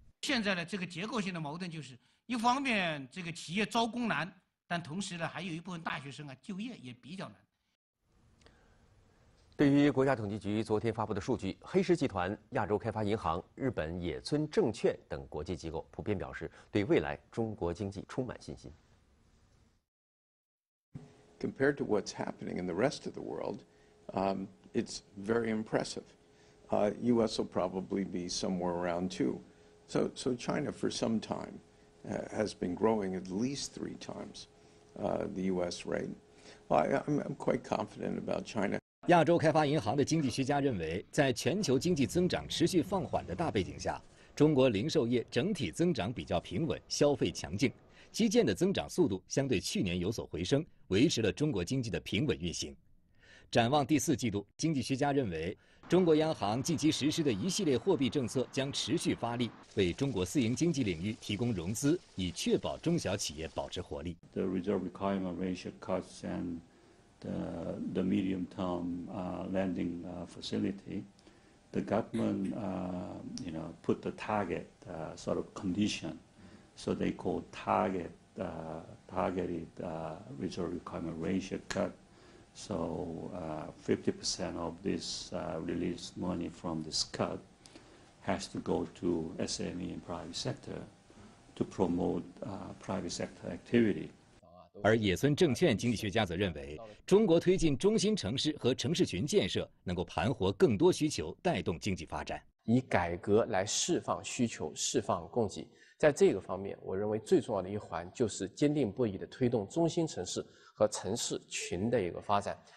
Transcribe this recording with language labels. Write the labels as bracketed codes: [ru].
[zh] 现在的这个结构性的矛盾就是，一方面这个企业招工难，但同时呢，还有一部分大学生啊，就业也比较难。对于国家统计局昨天发布的数据，黑石集团、亚洲开发银行、日本野村证券等国际机构普遍表示，对未来中国经济充满信心。 [en] Compared to what's happening in the rest of the world, it's very impressive. U.S. will probably be somewhere around two. So China for some time has been growing at least 3 times. The U.S. rate. I'm quite confident about China. [zh] 亚洲开发银行的经济学家认为，在全球经济增长持续放缓的大背景下，中国零售业整体增长比较平稳，消费强劲，基建的增长速度相对去年有所回升，维持了中国经济的平稳运行。展望第四季度，经济学家认为中国央行近期实施的一系列货币政策将持续发力，为中国私营经济领域提供融资，以确保中小企业保持活力。 [en] The reserve requirement ratio cuts and the medium term lending facility, the government put the target sort of condition, so they call targeted reserve requirement ratio cut. So 50% of this released money from this cut has to go to SME and private sector to promote private sector activity. [zh] 而野村证券经济学家则认为，中国推进中心城市和城市群建设，能够盘活更多需求，带动经济发展。以改革来释放需求，释放供给。在这个方面，我认为最重要的一环就是坚定不移地推动中心城市和城市群的一个发展。